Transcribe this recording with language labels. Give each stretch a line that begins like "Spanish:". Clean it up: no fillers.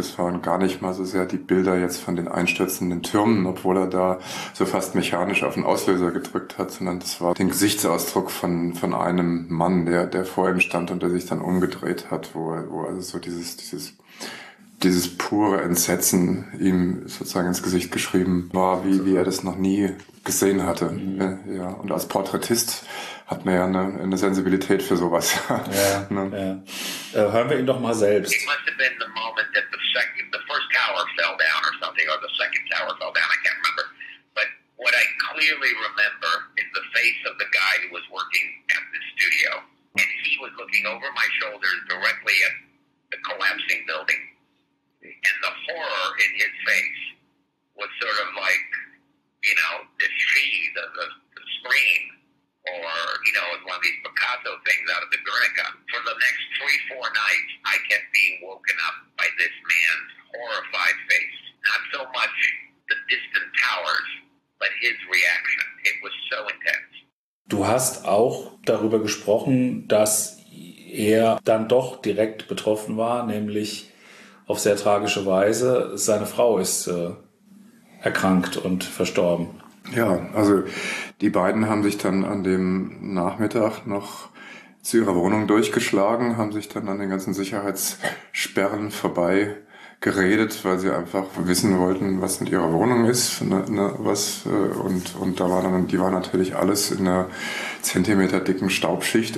German: Das waren gar nicht mal so sehr die Bilder jetzt von den einstürzenden Türmen, obwohl er da so fast mechanisch auf den Auslöser gedrückt hat, sondern das war den Gesichtsausdruck von einem Mann, der vor ihm stand und der sich dann umgedreht hat, wo also so dieses pure Entsetzen ihm sozusagen ins Gesicht geschrieben war, wie er das noch nie gesehen hatte. Mhm. Ja, und als Porträtist hat man ja eine Sensibilität für sowas. Ja, ne? Ja. Hören wir ihn doch mal selbst.
English: It must have been the moment that the first tower fell down or something, or the second tower fell down, I can't remember. What I clearly remember is the face of the guy who was working at the studio, and he was looking over my shoulder directly at the collapsing building, and the horror in his face was sort of like, you know, the scream, or, you know, one of these Picasso things out of the Guernica. For the next 3-4 nights, I kept being woken up by this man's horrified face, not so much the distant towers, but his reaction, it was so intense.
German: Du hast auch darüber gesprochen, dass er dann doch direkt betroffen war, nämlich auf sehr tragische Weise. Seine Frau ist erkrankt und verstorben. Ja, also die beiden haben sich dann an dem Nachmittag noch zu ihrer Wohnung durchgeschlagen, haben sich dann an den ganzen Sicherheitssperren vorbei geredet, weil sie einfach wissen wollten, was mit ihrer Wohnung ist, und da war dann, die war natürlich alles in einer Zentimeter dicken Staubschicht.